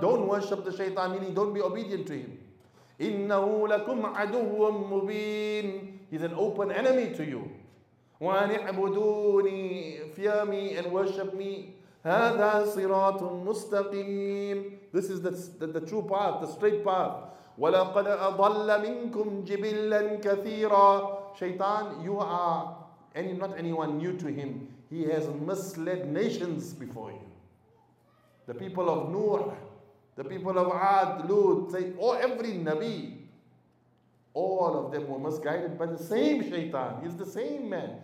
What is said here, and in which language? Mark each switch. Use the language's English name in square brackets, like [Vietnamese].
[English] Don't worship the Shaytan, meaning don't be obedient to him. [Arabic] إِنَّهُ لَكُمْ عَدُوٌ مُبِينٌ. [English] He's an open enemy to you. [Arabic] وَأَنْ اعْبُدُونِي. [English] Fear me and worship me. [Arabic] هذا صراط مستقيم. [English] This is the true path, the straight path. [Arabic] ولقد أضل منكم جبلا كثيرا. [English] Shaitan, you are not anyone new to him. He has misled nations before you. The people of Nuh, the people of Ad, Lut, say, or every Nabi, all of them were misguided by the same Shaitan. He's the same man.